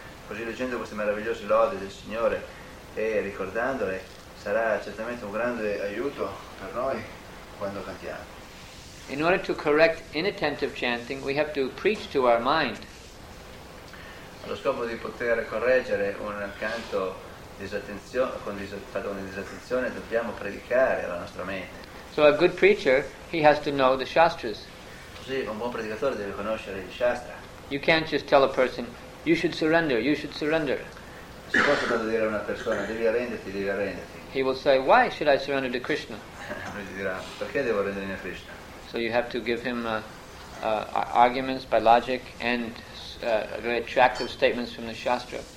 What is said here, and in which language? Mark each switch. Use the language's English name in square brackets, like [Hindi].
[Italian] Così leggendo queste meravigliose lodi del Signore e ricordandole sarà certamente un grande aiuto per noi quando cantiamo. [English] In order to correct inattentive chanting, we have to preach to our mind. [Italian] Allo scopo di poter correggere un canto con disattenzione, dobbiamo predicare alla nostra mente. [English] So a good preacher, he has to know the shastras. [Italian] Così un buon predicatore deve conoscere i shastra. [English] You can't just tell a person, you should surrender. [Italian] Si può soltanto dire a una persona, devi arrenderti. [English] He will say, why should I surrender to Krishna? [Italian] Lui ti dirà, perché devo arrendermi a Krishna? [English] So you have to give him arguments by logic and very attractive statements from the Shastra.